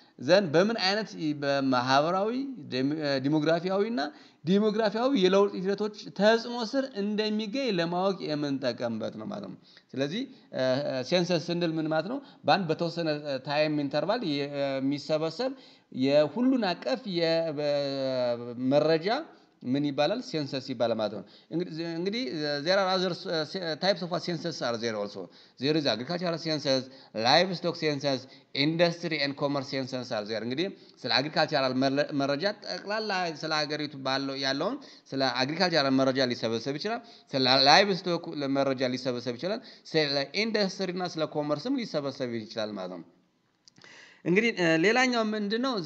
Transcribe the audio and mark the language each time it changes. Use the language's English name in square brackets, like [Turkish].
[Amharic] ዘን በምን አይነት በማህበራዊ ዲሞግራፊያዊና ዲሞግራፊያዊ የለውጥ ሂደቶች ተጽዕኖ ስር እንደሚገኝ ለማወቅ የምንጠቀምበት ነው ማለት ነው። ስለዚህ ሴንሰስ ስንል ምን ማለት ነው? ባን በተወሰነ ታይም ኢንተርቫል የሚሰበሰብ የሁሉን አቀፍ የመረጃ ምን ይባላል? ሴንሰስ ይባላል ማለት ነው። እንግዲህ [English] there are other types of census are there also. There is agricultural census, livestock census, industry and commerce census are there. [Amharic] እንግዲህ ስለ አግሪካልቸራል መረጃ ጠቅላላ ስለ ሀገሪቱ ባለው ያለውን ስለ አግሪካልቸራል መረጃ ሊሰበሰብ ይችላል፣ ስለ livestock መረጃ ሊሰበሰብ ይችላል፣ ስለ industry እና ስለ commerce ሊሰበሰብ ይችላል ማለት ነው። እንግዲህ ሌላኛው ምንድነው?